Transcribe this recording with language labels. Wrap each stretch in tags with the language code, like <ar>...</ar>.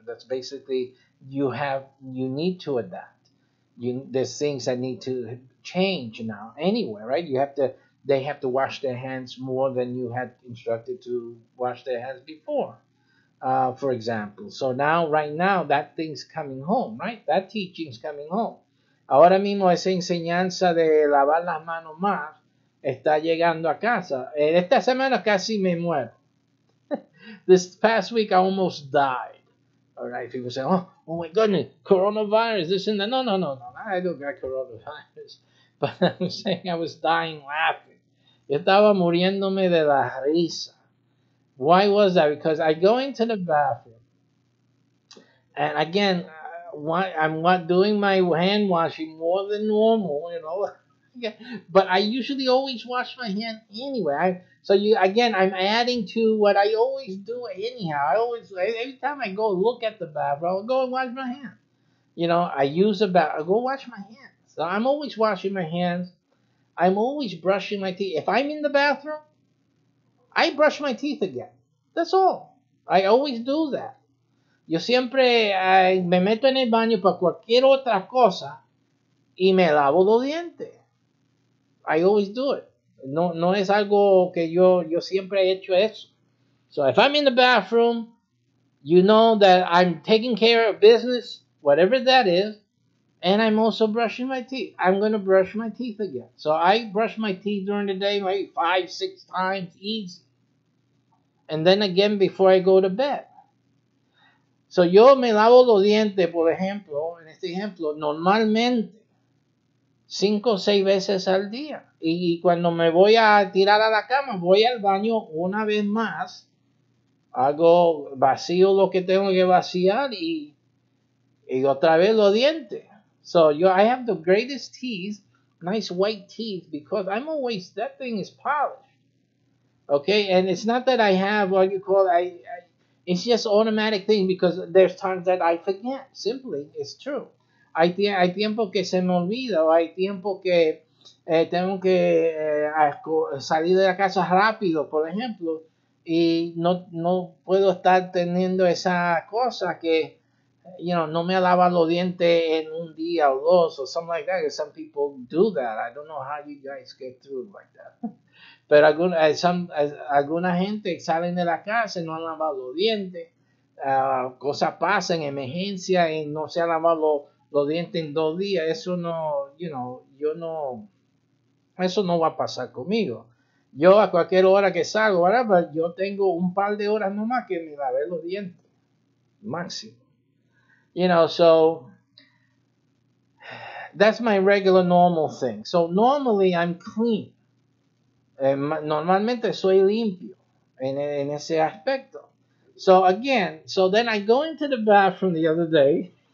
<en>That's basically, you need to adapt. There's things that need to change now anyway, right? They have to wash their hands more than you had instructed to wash their hands before. For example. So now, right now, that thing's coming home, right? That teaching's coming home.</en> <es>Ahora mismo esa enseñanza de lavar las manos más está llegando a casa. Esta semana casi me muero.</es> <en>This past week I almost died. All right, people say, oh my goodness, coronavirus, this and that. No, I don't got coronavirus. But I'm saying I was dying laughing.</en> <es>Yo estaba muriéndome de la risa.</es> <en>Why was that? Because I go into the bathroom, and again, I'm not doing my hand washing more than normal, you know. But I usually always wash my hand anyway. I'm adding to what I always do anyhow. I always, every time I go look at the bathroom, I'll go and wash my hand. You know, I use the bathroom, I go wash my hands. So I'm always washing my hands. I'm always brushing my teeth. If I'm in the bathroom, I brush my teeth again. That's all. I always do that.</en> <es>Yo siempre me meto en el baño para cualquier otra cosa y me lavo los dientes.</es> <en>I always do it.</en> <es>No es algo que yo siempre he hecho eso.</es> <en>So if I'm in the bathroom, you know that I'm taking care of business, whatever that is, and I'm also brushing my teeth. I'm going to brush my teeth again. So I brush my teeth during the day maybe 5-6 times easy. And then again before I go to bed.</en> <es>So yo me lavo los dientes, por ejemplo, en este ejemplo, normalmente 5-6 veces al día. Y cuando me voy a tirar a la cama, voy al baño una vez más. Hago vacío lo que tengo que vaciar y otra vez los dientes.</es> <en>So I have the greatest teeth, nice white teeth, because I'm always, that thing is polished. Okay, and it's not that I have what you call, it's just automatic thing because there's times that I forget. Simply, it's true.</en> <es>Hay tiempo que se me olvida, o hay tiempo que tengo que salir de la casa rápido, por ejemplo, y no puedo estar teniendo esa cosa que, you know, no me lava los dientes en un día o dos,</es> <en>or something like that. Some people do that. I don't know how you guys get through like that.</en> <es>Pero alguna gente salen de la casa y no han lavado los dientes. cosas pasan, emergencia, y no se ha lavado los dientes en dos días, eso no, you know, yo no, eso no va a pasar conmigo. Yo a cualquier hora que salgo, ¿verdad? Yo tengo un par de horas nomás que me lavé los dientes, máximo.</es> <en>You know, so, that's my regular normal thing. So, normally I'm clean.</en> <es>Normalmente soy limpio en ese aspecto.</es> <en>So again, so then I go into the bathroom the other day.</en>